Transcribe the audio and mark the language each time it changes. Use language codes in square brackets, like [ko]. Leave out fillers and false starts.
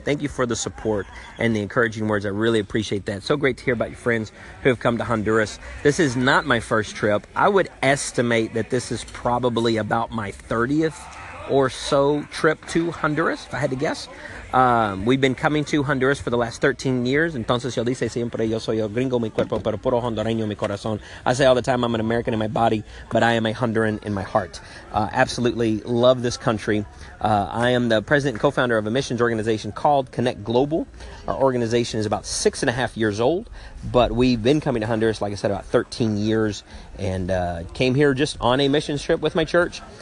[en] Thank you for the support and the encouraging words. I really appreciate that. So great to hear about your friends who have come to Honduras. This is not my first trip. I would estimate that this is probably about my 30th or so trip to Honduras, if I had to guess. We've been coming to Honduras for the last 13 years. [es] Entonces, yo dice siempre, yo soy el gringo mi cuerpo, pero puro hondureño mi corazón. [en] I say all the time, I'm an American in my body, but I am a Honduran in my heart. Absolutely love this country. I am the president and co-founder of a missions organization called Connect Global. Our organization is about 6.5 years old, but we've been coming to Honduras, like I said, about 13 years, and came here just on a missions trip with my church.